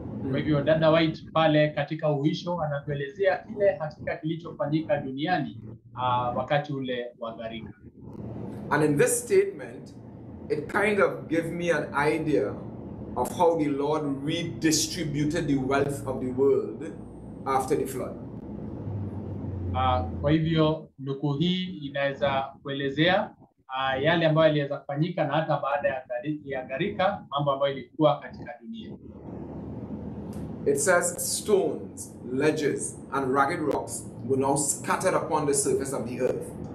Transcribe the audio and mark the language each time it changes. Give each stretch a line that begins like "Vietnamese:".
Swahili: Kwa hivyo Dada White pale katika uhuisho anatuelezea kile hakika kilichofanyika duniani wakati ule wa gharika.
English: And in this statement, it kind of gave me an idea of how the Lord redistributed the wealth of the world after the flood.
Swahili: Kwa hivyo nuku hii inaweza kuelezea yale ambayo yaliweza kufanyika na hata baada ya gharika, mambo ambayo ilikuwa katika dunia.
English: It says stones, ledges, and ragged rocks were now scattered upon the surface of the earth.